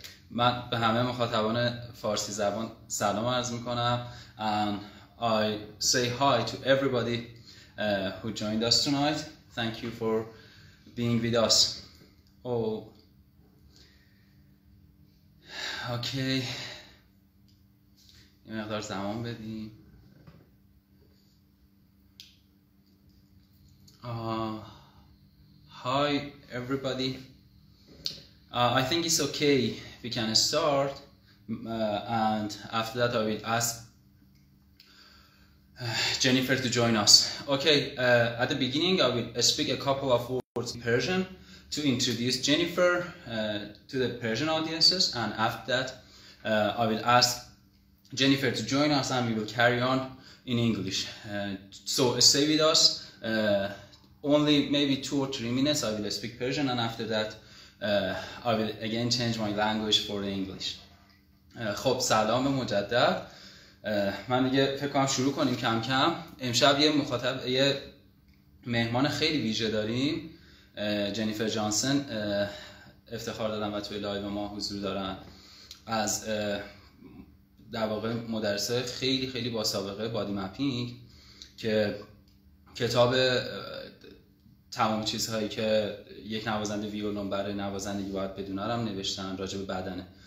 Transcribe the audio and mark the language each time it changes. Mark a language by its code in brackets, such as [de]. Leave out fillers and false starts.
[fa] من به همه مخاطبان فارسی زبان سلام عرض میکنم. [en] And I say hi to everybody who joined us tonight. Thank you for being with us. Oh. Okay. [fa] یه مقدار زمان بدیم. [en] Hi everybody. I think it's okay. We can start, and after that I will ask Jennifer to join us. Okay, at the beginning I will speak a couple of words in Persian to introduce Jennifer to the Persian audiences, and after that I will ask Jennifer to join us and we will carry on in English. So stay with us, only maybe 2 or 3 minutes I will speak Persian, and after that I will again change my language for English. [fa] خب سلام مجدد. من دیگه فکر کنم شروع کنیم کم کم. امشب یه مخاطب، یه مهمان خیلی ویژه داریم. جنیفر جانسن افتخار دادن و توی لایو ما حضور دارن. از در واقع مدرسه خیلی خیلی با سابقه بادی مپینگ که کتاب تمام چیزهایی که یک نوازنده ویولون برای نوازندگی باید بدونه را هم نوشتن راجع به بدنه.